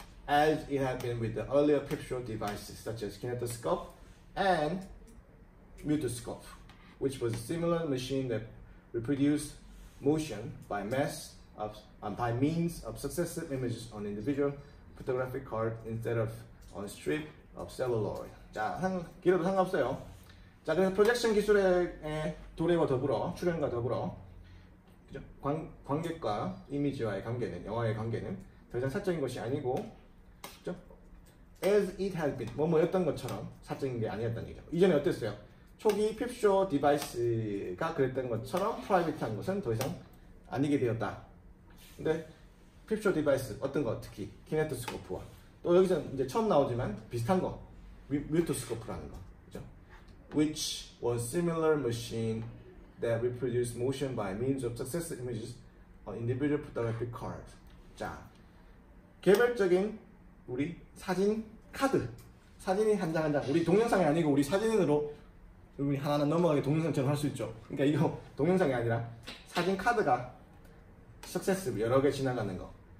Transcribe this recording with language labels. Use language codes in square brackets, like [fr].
[en] As it had been with the earlier picture devices such as kinetoscope and mutoscope which was a similar machine that reproduced motion by mass of by means of successive images on individual photographic card instead of on strip of celluloid. [ko] 자, 길어도 상관없어요. 자, 그래서 프로젝션 기술의 도래와 더불어 출연과 더불어 그죠? 관객과 이미지와의 관계는 영화의 관계는 더 이상 사적인 것이 아니고 그죠? As it had been 뭐뭐였던 것처럼 사적인 게 아니었던 얘기죠. 이전에 어땠어요? 초기 핍쇼 디바이스가 그랬던 것처럼 프라이빗한 것은 더 이상 아니게 되었다. 근데 핍쇼 디바이스 어떤 거 특히 키네토스코프와 또 여기서 이제 처음 나오지만 비슷한 거 뮤토스코프라는 거 그죠? [en] Which was similar machine that reproduced motion by means of successive images individual photography card. [ko] 자, 개별적인 우리 사진 카드. 사진이 한 장 한 장. 우리 동영상이 아니고 우리 사진으로 우리 하나하나 넘어가게 동영상처럼 할 수 있죠. 그러니까 이거 동영상이 아니라 사진 카드가 success 여러 개 지나가는 거.